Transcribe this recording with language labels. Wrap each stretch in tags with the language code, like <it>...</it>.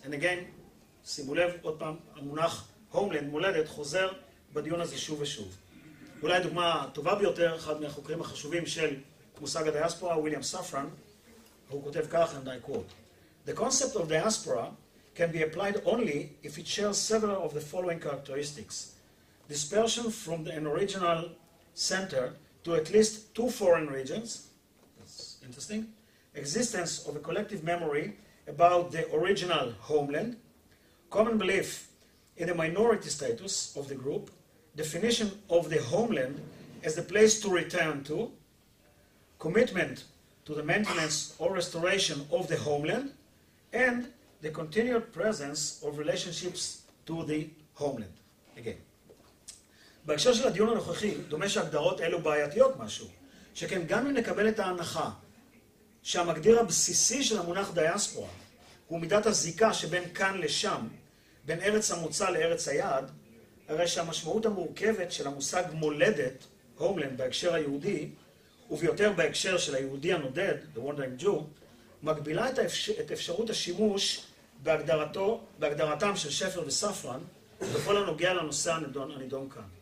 <en>And again,</en> <he>שימו לב עוד פעם, המונח הומלנד, מולדת, חוזר בדיון הזה שוב ושוב. אולי דוגמה טובה ביותר, אחד מהחוקרים החשובים של מושג הדיאספורה, ויליאם ספרן, הוא כותב כך,</he> <en>and I quote, the concept of diaspora can be applied only if it shares several of the following characteristics. Dispersion from an original center to at least two foreign regions, that's interesting, existence of a collective memory about the original homeland, common belief in the minority status of the group, definition of the homeland as the place to return to, commitment to the maintenance or restoration of the homeland, and the continued presence of relationships to the homeland. Again.</en> <he>בהקשר של הדיון הנוכחי, דומה שהגדרות אלו בעייתיות משהו, שכן גם אם נקבל את ההנחה שהמגדיר הבסיסי של המונח דיאספורה הוא מידת הזיקה שבין כאן לשם, בין ארץ המוצא לארץ היעד, הרי שהמשמעות המורכבת של המושג מולדת, homeland, בהקשר היהודי, וביותר בהקשר של היהודי הנודד,</he> <en>the wandering Jew,</en> <he>מגבילה את אפשרות השימוש בהגדרתם של שפר וספרן, בכל הנוגע לנושא הנידון כאן.</he>